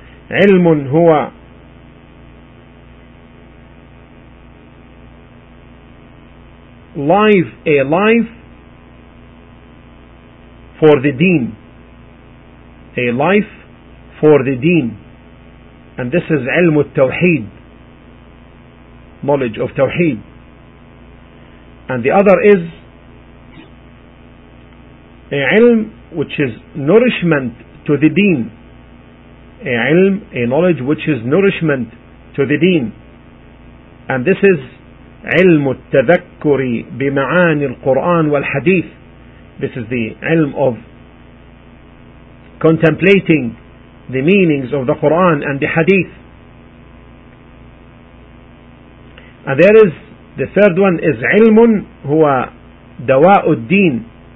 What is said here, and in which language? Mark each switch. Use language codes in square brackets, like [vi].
[ar] علم هو [en] a life for the deen, and this is [ar] علم التوحيد, [en] knowledge of توحيد. And the other is a ilm which is nourishment to the deen. A ilm, a knowledge which is nourishment to the deen. And this is [ar] ilm التذكر بمعاني القرآن والحديث. [en] This is the ilm of contemplating the meanings of the Quran and the hadith. And there is the third one is [ar] علم هو دواء الدين.